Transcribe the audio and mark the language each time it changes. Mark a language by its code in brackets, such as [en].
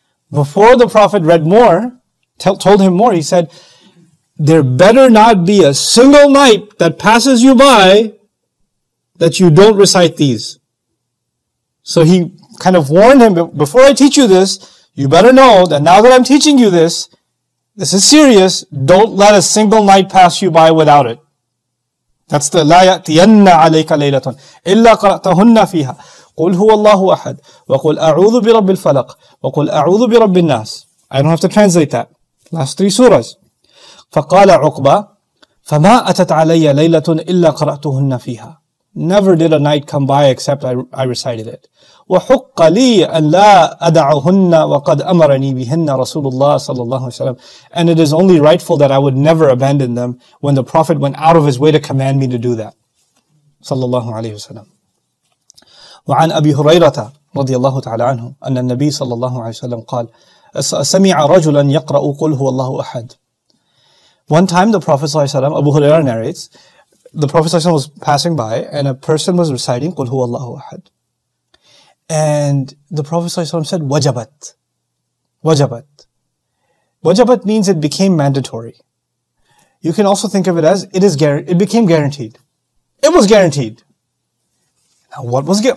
[en] Before the Prophet read more, told him more, he said, there better not be a single night that passes you by that you don't recite these. So he kind of warned him, before I teach you this, you better know that now that I'm teaching you this, this is serious, don't let a single night pass you by without it. That's the [ar] لَا يَأْتِيَنَّ عَلَيْكَ لَيْلَةٌ إِلَّا قَرَأْتَهُنَّ فِيهَا قُلْ هُوَ اللَّهُ أَحَدْ وَقُلْ أَعُوذُ بِرَبِّ الْفَلَقْ وَقُلْ أَعُوذُ بِرَبِّ النَّاسِ. [en] I don't have to translate that. Last three surahs. [ar] فَقَالَ عُقْبَى فَمَا أَتَتْ عَلَيَّ لَيْلَةٌ إِلَّا قَرَأْتُهُنَّ فِيهَا. [en] Never did a night come by except I recited it. [ar] وَحُقَّ لِي أَنْ لَا أَدَعُهُنَّ وَقَدْ أَمَرَنِي بِهِنَّ رَسُولُ اللَّهِ صَلَى اللَّهُ عَلَيْهِ وَسَلَمْ. [en] And it is only rightful that I would never abandon them when the Prophet went out of his way to command me to do that. [ar] صلى الله عليه وسلم. وعن أبي هريرة رضي الله تعالى عنه أن النبي صلى الله عليه وسلم قال سمع رجلا يقرأ قل هو الله أحد [en] One time the Prophet ﷺ, Abu Hurairah narrates, the Prophet ﷺ was passing by and a person was reciting Qul Huwallaahu Ahad. And the Prophet ﷺ said, Wajabat. Wajabat. Wajabat means it became mandatory. You can also think of it as it became guaranteed. It was guaranteed. Now what was it?